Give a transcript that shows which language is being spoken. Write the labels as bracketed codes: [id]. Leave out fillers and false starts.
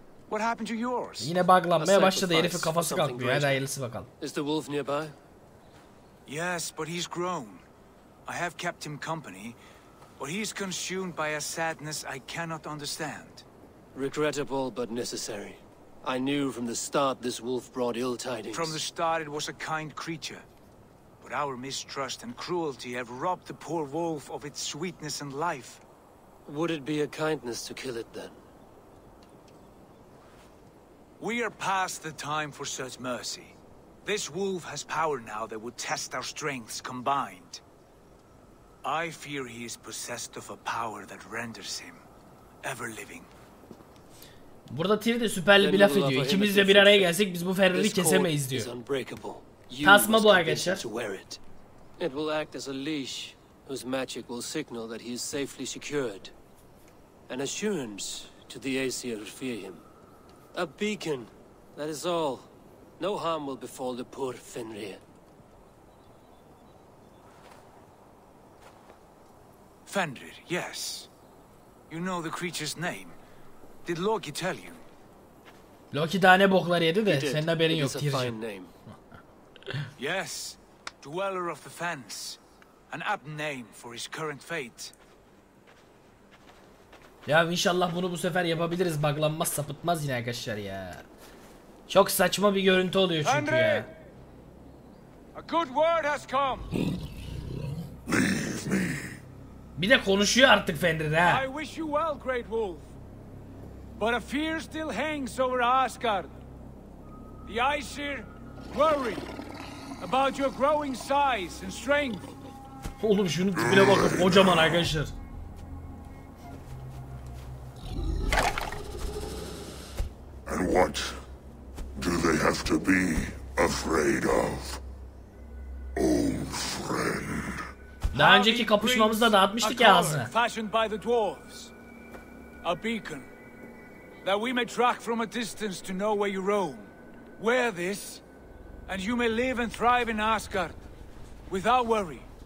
[tr] What happened to yours? Yine buglanmaya başladı. Herifi kafası kalkmıyor. Hadi hayırlısı bakalım. [en] Is the wolf nearby? Yes, but he's grown. I have kept him company, but he's consumed by a sadness I cannot understand. Regrettable but necessary. I knew from the start this wolf brought ill tidings. From the start it was a kind creature, but our mistrust and cruelty have robbed the poor wolf of its sweetness and life. Would it be a kindness to kill it then? We are past the time for such mercy. This wolf has power now that would test our strengths combined. I fear he is possessed of a power that renders him ever living. [tr] Burada Tyr de süperli bir laf ediyor. İkimiz de bir araya gelsek biz bu Ferrari'yi kesemeyiz diyor. Tasma bu arkadaşlar. [en] It will act as a leash whose magic will signal that he is safely secured. An assurance to the Aesir who fear him. A beacon, that is all. No harm will befall the poor Fenrir. Fenrir, yes. You know the creature's name. Did Loki tell you? [tr] Loki daha ne boklar yedi de senin haberin yok Tyr'cim. [en] Yes, dweller of the fence. An apt name for his current fate. [tr] Ya inşallah bunu bu sefer yapabiliriz. Buglanmaz sapıtmaz yine arkadaşlar ya. Çok saçma bir görüntü oluyor çünkü ya. A good word has come. Bir de konuşuyor artık Fenrir ha. [en] I wish you well, Great Wolf. But a fear still hangs over Asgard. The Aesir worry about your growing size and strength. [tr] Oğlum şunun tipine bakın, kocaman arkadaşlar. [en] And what do they have to be afraid of, old friend? [tr] Daha önceki kapışmamızda dağıtmıştık ya ağzını. [en] Fashioned by the dwarves, a beacon that we may track from a distance to know where you roam. Wear this, and you may live and thrive in Asgard without worry.